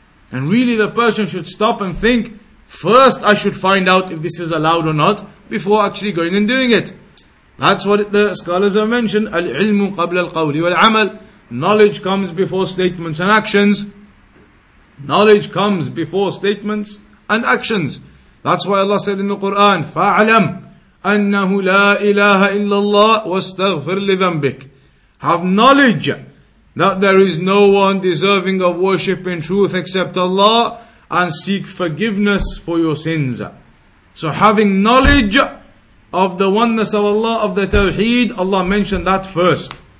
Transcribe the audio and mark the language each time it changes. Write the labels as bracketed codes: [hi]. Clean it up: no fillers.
[en] And really the person should stop and think, first I should find out if this is allowed or not, before actually going and doing it. That's what the scholars have mentioned, [ar] al-ilmu qabla al-qawli wal-amal. [en] Knowledge comes before statements and actions. Knowledge comes before statements and actions. That's why Allah said in the Quran, fa'alam. [ar] أنه لا إله إلا الله واستغفر لذنبك. [en] Have knowledge that there is no one deserving of worship in truth except Allah and seek forgiveness for your sins. So having knowledge of the oneness of Allah, of the Tawheed, Allah mentioned that first.